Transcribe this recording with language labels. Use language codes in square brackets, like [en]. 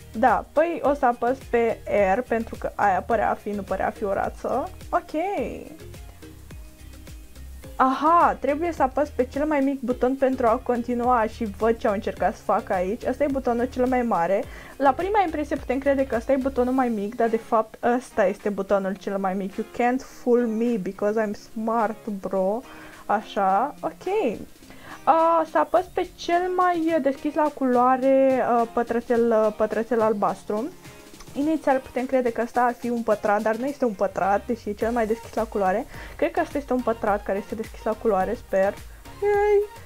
[ro] Da, păi o să apăs pe R pentru că aia părea a fi, nu părea a fi o rață. Ok. Aha, trebuie să apăs pe cel mai mic buton pentru a continua și văd ce au încercat să facă aici. Ăsta e butonul cel mai mare. La prima impresie putem crede că ăsta e butonul mai mic, dar de fapt ăsta este butonul cel mai mic. [en] You can't fool me because I'm smart, bro. [ro] Așa, ok. Să apăs pe cel mai deschis la culoare pătrățel albastru. Inițial putem crede că asta ar fi un pătrat, dar nu este un pătrat, deși e cel mai deschis la culoare. Cred că asta este un pătrat care este deschis la culoare, sper. Yay!